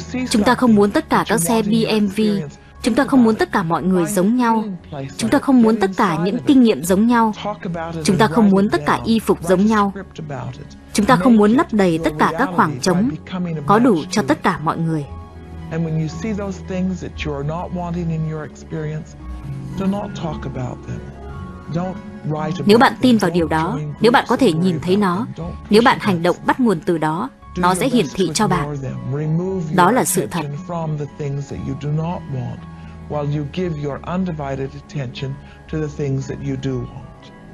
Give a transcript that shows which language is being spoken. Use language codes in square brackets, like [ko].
[vi] Chúng ta không muốn tất cả các xe BMW. Chúng ta không muốn tất cả mọi người giống nhau. Chúng ta không muốn tất cả những kinh nghiệm giống nhau. Chúng ta không muốn tất cả y phục giống nhau. Chúng ta không muốn lấp đầy tất cả các khoảng trống có đủ cho tất cả mọi người. [en] And when you see those things that you're not wanting in your experience, do not talk about them. Don't write about. [vi] Nếu bạn tin vào điều đó, nếu bạn có thể nhìn thấy nó, nếu bạn hành động bắt nguồn từ đó, nó sẽ hiển thị cho bạn. Đó là sự thật. [en] From the things that you do not want, while you give your undivided attention to the things that you do want.